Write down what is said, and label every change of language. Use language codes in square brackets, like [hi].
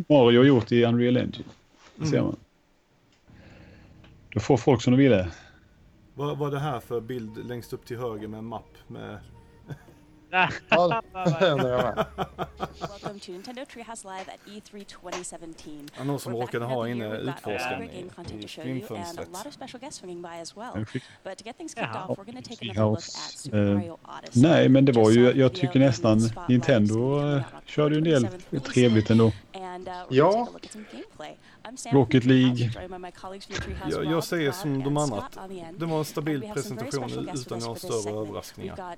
[sv] Mario gjort i Unreal Engine. Det ser man. Då får folk som de vill. Vad var det här för bild längst upp till höger med en mapp med... [en] Welcome to Nintendo Treehouse Live at E3 2017. [sv] Någon som råkade ha inne utforskaren i filmfönstret. [en] And a lot of special guests swinging by as well. But to get things kicked off, we're going to take another look at Super Mario Odyssey. [sv] Nej, men det var ju, jag tycker nästan Nintendo körde ju en del trevligt ändå. Ja. Rocket League. Jag säger som de andra. Det var en stabil presentation utan några större överraskningar.